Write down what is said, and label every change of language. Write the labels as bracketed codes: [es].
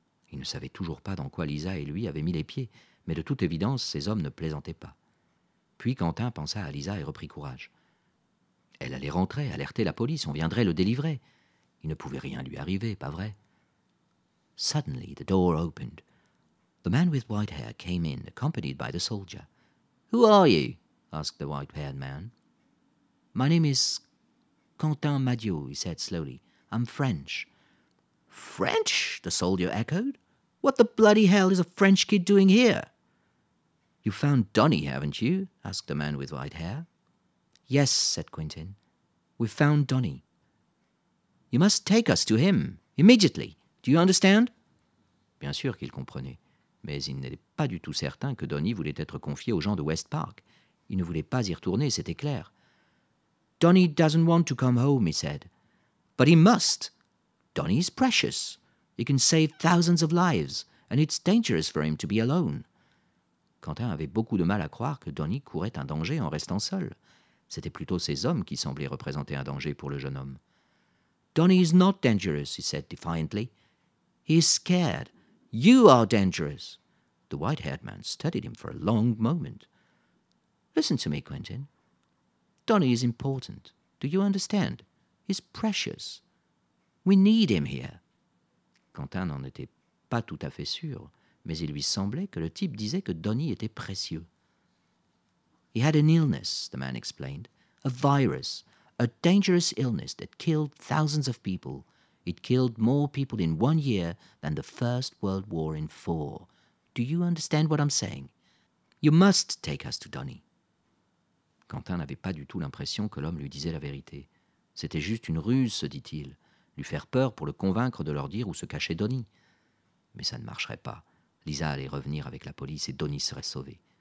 [fr] Il ne savait toujours pas dans quoi Lisa et lui avaient mis les pieds, mais de toute évidence, ces hommes ne plaisantaient pas. Puis Quentin pensa à Lisa et reprit courage. Elle allait rentrer, alerter la police, on viendrait le délivrer. Il ne pouvait rien lui arriver, pas vrai? [en] Suddenly the door opened. The man with white hair came in, accompanied by the soldier. Who are you? Asked the white-haired man. My name is Quentin Madieu, he said slowly. I'm French. French? The soldier echoed. What the bloody hell is a French kid doing here? « You found Donnie, haven't you ?» asked the man with white hair. « Yes, » said Quentin. « We've found Donnie. »« You must take us to him, immediately. Do you understand ?» [fr] Bien sûr qu'il comprenait, mais il n'était pas du tout certain que Donnie voulait être confié aux gens de West Park. Il ne voulait pas y retourner, c'était clair. [en] « Donnie doesn't want to come home, » he said. « But he must. Donnie is precious. He can save thousands of lives, and it's dangerous for him to be alone. » [fr] Quentin avait beaucoup de mal à croire que Donnie courait un danger en restant seul. C'était plutôt ses hommes qui semblaient représenter un danger pour le jeune homme. [en] « Donnie is not dangerous, » he said defiantly. « He is scared. You are dangerous. » The white-haired man studied him for a long moment. « Listen to me, Quentin. Donnie is important. Do you understand? He's precious. We need him here. » [fr] Quentin n'en était pas tout à fait sûr. Mais il lui semblait que le type disait que Donnie était précieux. [en] He had an illness, the man explained. A virus. A dangerous illness that killed thousands of people. It killed more people in one year than the First World War in four. Do you understand what I'm saying? You must take us to Donnie. [fr] Quentin n'avait pas du tout l'impression que l'homme lui disait la vérité. C'était juste une ruse, se dit-il. Lui faire peur pour le convaincre de leur dire où se cachait Donnie. Mais ça ne marcherait pas. Lisa allait revenir avec la police et Donnie serait sauvé.